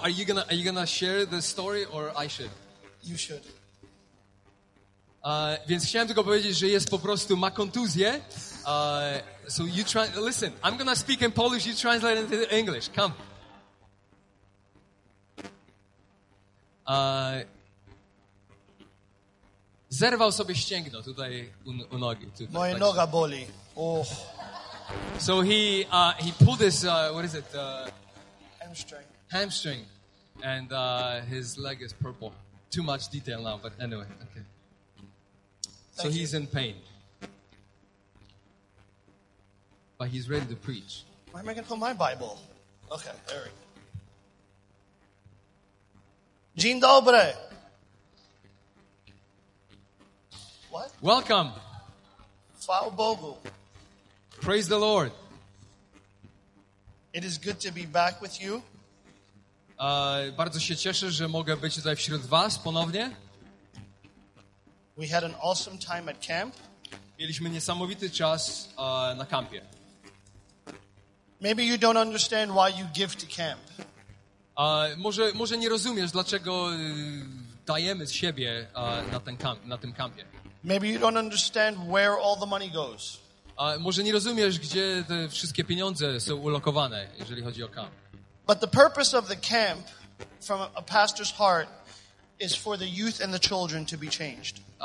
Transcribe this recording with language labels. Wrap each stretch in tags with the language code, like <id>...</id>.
<en>Are you gonna share the story or I should? You should.</en> <pl>Więc chciałem tylko powiedzieć, że jest po prostu ma kontuzję.</pl> <en>So you try. Listen, I'm gonna speak in Polish. You translate into English. Come.</en> <pl>Zerwał sobie ścięgno tutaj u nogi. Tutaj, moja tak. Noga boli. Oh.</pl> <en>So he pulled his what is it? Hamstring. Hamstring, and his leg is purple. Too much detail now, but anyway, okay. So he's in pain, but he's ready to preach. Why am I gonna put my Bible? Okay, there we go.</en> <pl>Dzień dobry.</pl> <en>What? Welcome.</en> <pl>Chwał Bogu.</pl> <en>Praise the Lord. It is good to be back with you.</en> <pl>Bardzo się cieszę, że mogę być tutaj wśród was ponownie.</pl> <en>We had an awesome time at camp.</en> <pl>Mieliśmy niesamowity czas na kampie.</pl> <en>Maybe you don't understand why you give to camp.</en> <pl>Może nie rozumiesz, dlaczego dajemy z siebie na tym kampie.</pl> <en>Maybe you don't understand where all the money goes.</en> <pl>Może nie rozumiesz, gdzie te wszystkie pieniądze są ulokowane, jeżeli chodzi o kamp.</pl> <en>But the purpose of the camp from a pastor's heart is for the youth and the children to be changed.</en>